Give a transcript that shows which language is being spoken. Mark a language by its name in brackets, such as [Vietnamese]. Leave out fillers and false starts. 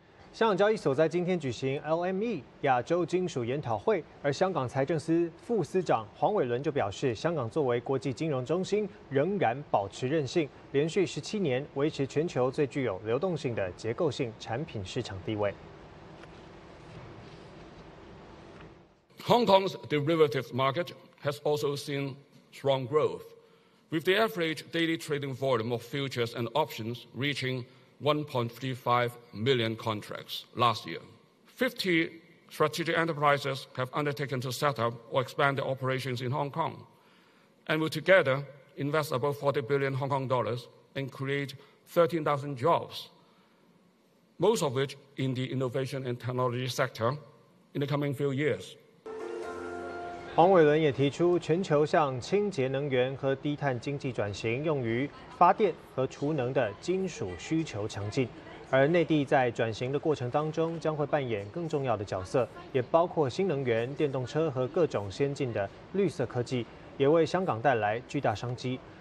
[Chinese] 香港交易所在今天举行 LME 亚洲金属研讨会，而香港财政司副司长黄伟伦就表示，香港作为国际金融中心仍然保持韧性，连续17年维持全球最具有流动性的结构性产品市场地位。 [English] Hong Kong's derivatives market has also seen strong growth, with the average daily trading volume of futures and options reaching 1.35 million contracts last year. 50 strategic enterprises have undertaken to set up or expand their operations in Hong Kong, and will together invest about 40 billion Hong Kong dollars and create 13,000 jobs, most of which in the innovation and technology sector in the coming few years. [Chinese] 黄伟伦也提出，全球向清洁能源和低碳经济转型，用于发电和储能的金属需求强劲，而内地在转型的过程当中将会扮演更重要的角色，也包括新能源、电动车和各种先进的绿色科技，也为香港带来巨大商机。